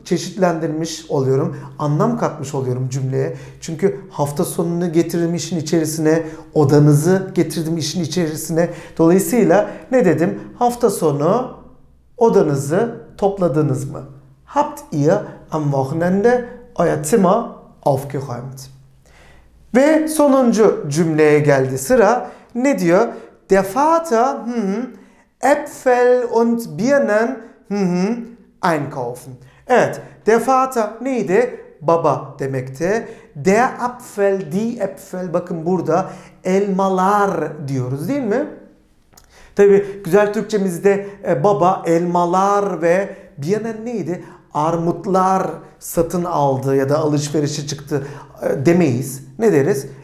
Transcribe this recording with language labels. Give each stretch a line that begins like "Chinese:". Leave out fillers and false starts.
Turkish: Çeşitlendirmiş oluyorum. Anlam katmış oluyorum cümleye. Çünkü hafta sonunu getirdim işin içerisine. Odanızı getirdim işin içerisine. Dolayısıyla ne dedim? Hafta sonu odanızı topladınız mı?
German: Habt ihr am Wochenende euer Zimmer aufgeräumt.
Turkish: Ve sonuncu cümleye geldi sıra. Ne diyor?
German: Der Vater Äpfel und Birnen einkaufen.
Turkish: Evet,
German: der Vater
Turkish: neydi? Baba demekti.
German: Der Apfel, die Äpfel,
Turkish: bakın burada elmalar diyoruz değil mi? Tabii güzel Türkçemizde baba elmalar ve Birnen neydi? Armutlar satın aldı ya da alışverişe çıktı demeyiz. Ne deriz?